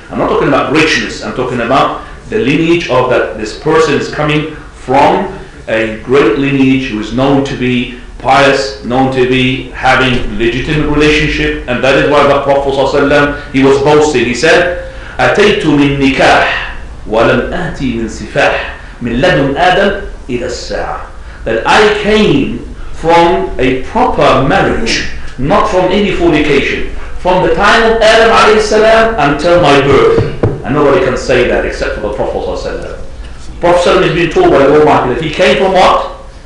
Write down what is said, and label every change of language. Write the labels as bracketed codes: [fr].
[en] I'm not talking about richness, I'm talking about the lineage of that this person is coming from a great lineage who is known to be pious, known to be having legitimate relationship. And that is why the Prophet ﷺ, he was boasting, he said, [ar] أَتَيْتُ مِن نِكَاح ولم أتي من سفاح من لدن آدم إلى الساعة. [en] That I came from a proper marriage, not from any fornication, from the time of Adam alayhi salam until my birth. And nobody can say that except for the Prophet sallallahu alayhi wa sallam. Prophet sallallahu alayhi wa sallam has been told by the Almighty that he came from what?